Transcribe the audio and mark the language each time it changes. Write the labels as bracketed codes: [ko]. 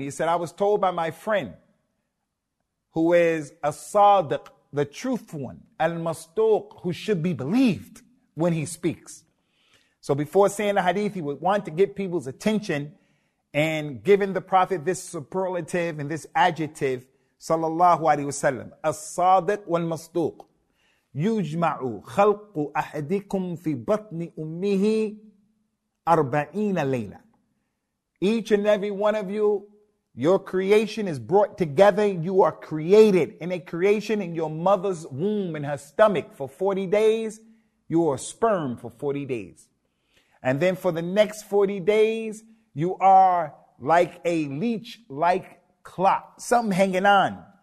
[en] He said, I was told by my friend, who is As-Sadiq, the truthful one, Al-Mastuq, who should be believed when he speaks. So before saying the hadith, he would want to get people's attention and giving the Prophet this superlative and this adjective, sallallahu alayhi wa sallam, As-Sadiq wal-Mastuq. [ar] يُجْمَعُ خَلْقُ أَحَدِكُمْ فِي بَطْنِ أُمِّهِ أَرْبَعِينَ لَيْلًا. [en] Each and every one of you, your creation is brought together. You are created in a creation in your mother's womb, in her stomach for 40 days. You are sperm for 40 days. And then for the next 40 days, you are like a leech-like clot, something hanging on.